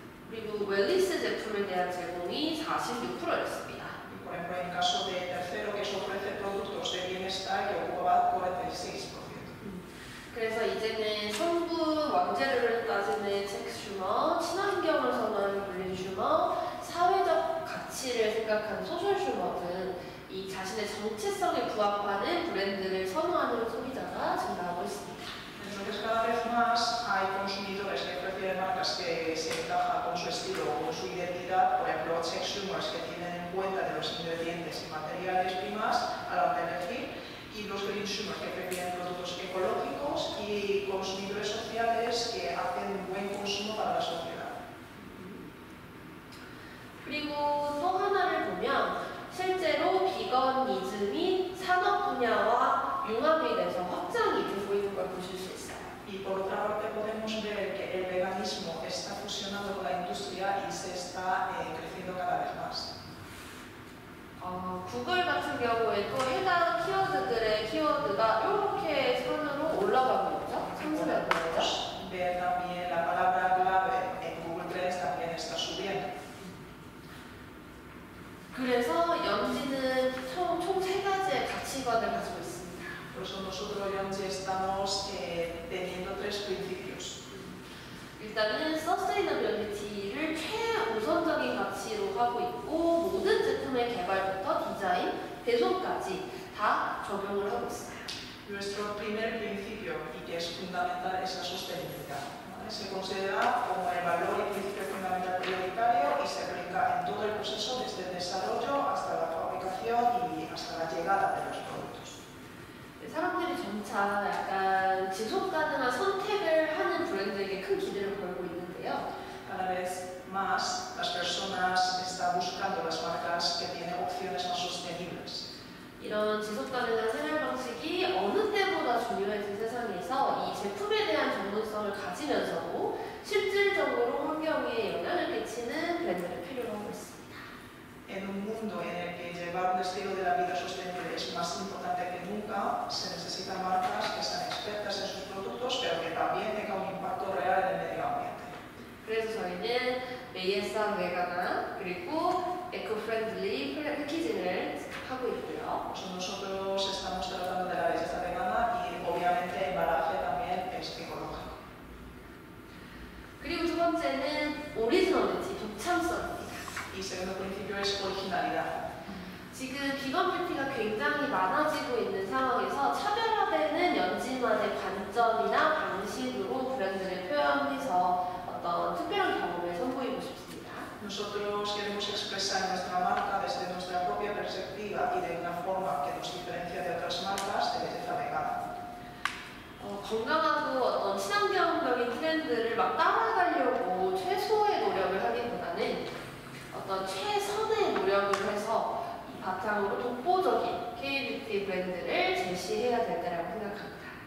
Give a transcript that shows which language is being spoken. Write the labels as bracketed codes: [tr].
[ko] 그리고 웰니스 제품에 대한 제공이 46%였습니다. [es] Y por ejemplo, en caso de tercero, que es ofrecer productos de bienestar, que ocupaba 46%. [ko] 그래서 이제는 성부 왕자를 따지는 섹슈머, 친환경을 선호하는 그린슈머, 사회적 가치를 생각하는 소셜슈머 등 이 자신의 정체성에 부합하는 브랜드를 선호하는 소비자가 증가하고 있습니다. [es] Entonces cada vez más hay consumidores que prefieren marcas que se encajan con su estilo o con su identidad, por ejemplo, sexshumers que tienen en cuenta de los ingredientes y materiales primas a la hora de elegir, y los greenshumers que prefieren productos ecológicos y consumidores sociales que hacen un buen consumo para la sociedad. [ko] 그리고 또 하나를 보면 실제로 비건이즘이 산업 분야와 융합이 돼서 확장이 되고 있는 걸 보실 수 있어요. [es] Y por otra parte podemos ver que el veganismo está fusionando con la industria y se está creciendo cada vez más. [ko] 구글 같은 경우에도 해당 키워드들의 키워드가 이렇게 선으로 올라가고 있죠? 상승하고 있죠? [es] Ver también la palabra clave en Google Trends también está subiendo. [ko] 그래서 연지는 총 세 가지의 가치관을 가지고 있습니다. [es] Por eso nosotros Yonji estamos teniendo tres principios. [ko] 일단은 sustainability를 최우선적인 가치로 하고 있고 모든 제품의 개발부터 디자인, 배송까지 다 적용을 하고 있어요. [es] Nuestro primer principio y que es fundamental es la sostenibilidad. Se considera como el valor y principio fundamental prioritario y se aplica en todo el proceso desde el desarrollo hasta la fabricación y hasta la llegada de los productos. [ko] 사람들이 점차 약간 지속 가능한 선택을 하는 브랜드에게 큰 기대를 걸고 있는데요. [es] Cada vez más las personas están buscando las marcas que tienen opciones más sostenibles. [ko] 이런 지속 가능한 생활 방식이 어느 때보다 중요해진 세상에서 이 제품에 대한 전문성을 가지면서도 실질적으로 환경에 영향을 끼치는 브랜드를 필요로 하고 있습니다. [es] En un mundo en el que llevar un estilo de la vida sostenible es más importante que nunca, se necesitan marcas que sean expertas en sus productos, pero que también tengan un impacto real en el medio ambiente. [ko] 그래서 저희는 [es] belleza vegana [ko] 그리고 eco-friendly 패키징을 하고 있고요. [es] Nosotros estamos tratando de la belleza vegana y obviamente embalaje también es ecológico. [ko] 그리고 두 번째는 Originality, 독창성입니다. [es] 이 segundo principio es originalidad. [ko] 지금 비건 패티가 굉장히 많아지고 있는 상황에서 차별화되는 연진만의 관점이나 방식으로 브랜드를 표현해서 어떤 특별한 경험을 선보이고 싶습니다. [es] Nosotros queremos expresar nuestra marca desde nuestra propia perspectiva y de una forma que nos diferencia de otras marcas de belleza vegana. [ko] 건강하고 어떤 친환경적인 트렌드를 막 따라가려고 최소의 노력을 하기보다는 어떤 최선의 노력을 해서 바탕으로 독보적인 K-beauty 브랜드를 제시해야 될 때라고 생각합니다.